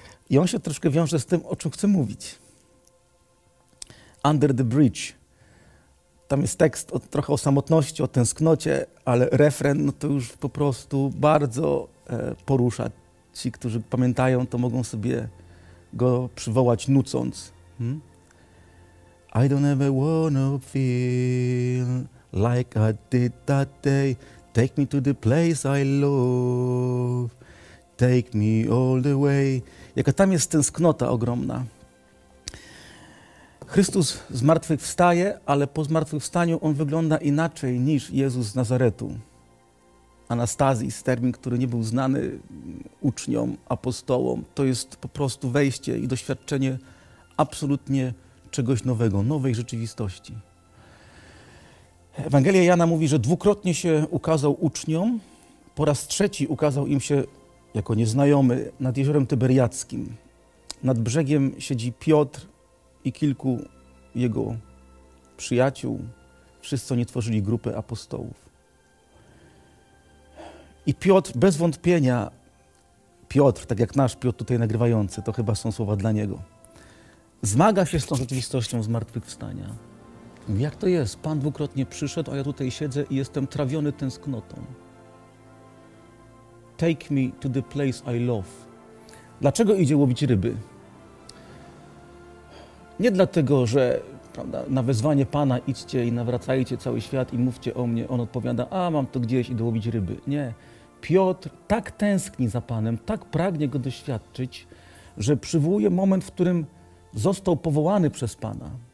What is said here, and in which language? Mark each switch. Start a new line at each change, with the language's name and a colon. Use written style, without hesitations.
Polish: I on się troszkę wiąże z tym, o czym chcę mówić. Under the Bridge. Tam jest tekst trochę o samotności, o tęsknocie, ale refren no to już po prostu bardzo porusza. Ci, którzy pamiętają, to mogą sobie go przywołać nucąc.
English: I don't ever wanna feel like I did that day. Take me to the place I love. Take me all the way.
Polish: Jaka tam jest tęsknota ogromna. Chrystus zmartwychwstaje, ale po zmartwychwstaniu on wygląda inaczej niż Jezus z Nazaretu. Anastazis, termin, który nie był znany uczniom, apostołom. To jest po prostu wejście i doświadczenie absolutnie czegoś nowego, nowej rzeczywistości. Ewangelia Jana mówi, że dwukrotnie się ukazał uczniom, po raz trzeci ukazał im się jako nieznajomy nad Jeziorem Tyberiackim. Nad brzegiem siedzi Piotr i kilku jego przyjaciół, wszyscy oni tworzyli grupę apostołów. I Piotr bez wątpienia, Piotr, tak jak nasz Piotr tutaj nagrywający, to chyba są słowa dla niego, zmaga się z tą rzeczywistością zmartwychwstania. Jak to jest? Pan dwukrotnie przyszedł, a ja tutaj siedzę i jestem trawiony tęsknotą.
English: Take me to the place I love.
Polish: Dlaczego idzie łowić ryby? Nie dlatego, że prawda, na wezwanie Pana idźcie i nawracajcie cały świat i mówcie o mnie. On odpowiada, a mam to gdzieś, idę łowić ryby. Nie. Piotr tak tęskni za Panem, tak pragnie Go doświadczyć, że przywołuje moment, w którym został powołany przez Pana.